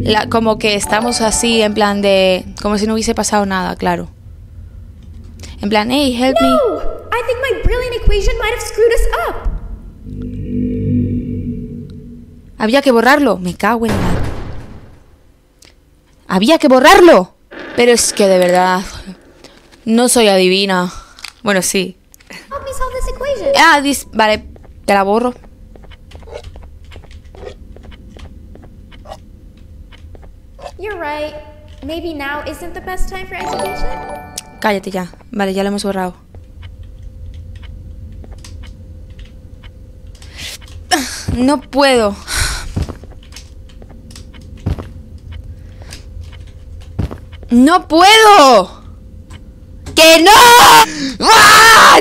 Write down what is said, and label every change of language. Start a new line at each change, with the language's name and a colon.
Spanish: Como que estamos así en plan de, como si no hubiese pasado nada, claro. En plan,
English: hey, help me. No, I think my brilliant equation might have screwed us up.
Spanish: Había que borrarlo. Me cago en la... Había que borrarlo. Pero es que de verdad no soy adivina. Bueno, sí.
English: Help me solve this equation.
Spanish: Ah, vale, te la borro.
English: You're right. Maybe now isn't the best time for education.
Spanish: Cállate ya. Vale, ya lo hemos borrado. No puedo. ¡No puedo! ¡Que no! ¡Ah!